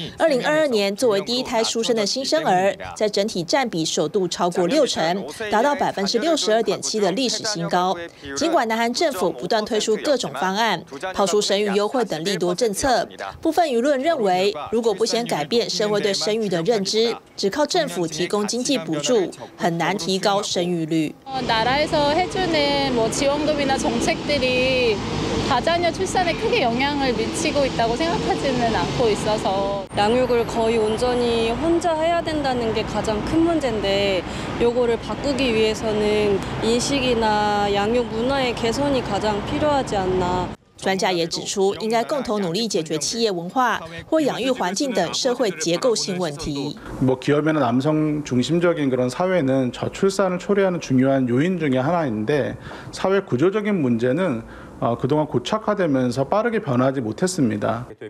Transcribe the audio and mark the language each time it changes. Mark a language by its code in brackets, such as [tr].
[zh] 2022年作为第一胎出生的新生儿，在整体占比首度超过六成，达到 62.7% 的历史新高。尽管南韩政府不断推出各种方案，抛出生育优惠等利多政策，部分舆论认为，如果不先改变社会对生育的认知，只靠政府提供经济补助，很难提高生育率。 [ko] 나라에서 해주는 뭐 지원금이나 정책들이 다자녀 출산에 크게 영향을 미치고 있다고 생각하지는 않고 있어서 양육을 거의 온전히 혼자 해야 된다는 게 가장 큰 문제인데 요거를 바꾸기 위해서는 인식이나 양육 문화의 개선이 가장 필요하지 않나 [zh] 专家也指出，应该共同努力解决企业文化或养育环境等社会结构性问题。 [ko] 뭐기업에는남성중심적인그런사회는저출산을초래하는중요한요인중에하나인데사회구조적인문제는그동안고착화되면서빠르게변하지못했습니다